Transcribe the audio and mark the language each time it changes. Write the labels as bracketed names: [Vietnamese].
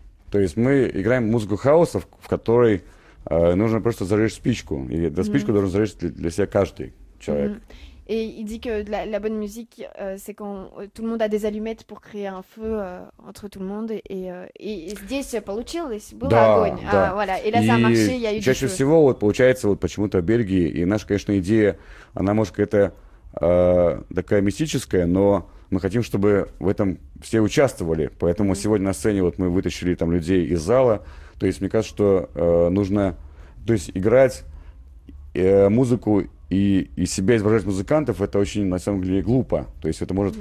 [Russian] То есть мы играем музыку хаоса, в которой нужно просто зажечь спичку. И эту спичку должен зажечь для себя каждый человек. [French] Et il dit que la bonne musique, c'est quand tout le monde a des allumettes pour créer un feu entre tout le monde. Et [Russian] здесь получилось, был да, огонь. Да. [French] Voilà. Et là, ça a marché, il y a eu [Russian] чаще всего вот, получается вот, почему-то в Бельгии. И наша, конечно, идея, она может какая-то такая мистическая, но мы хотим, чтобы в этом все участвовали. Поэтому mm-hmm. сегодня на сцене вот мы вытащили там людей из зала. То есть мне кажется, что нужно то есть, играть музыку и себя изображать музыкантов, это очень, на самом деле, глупо. То есть это может mm-hmm.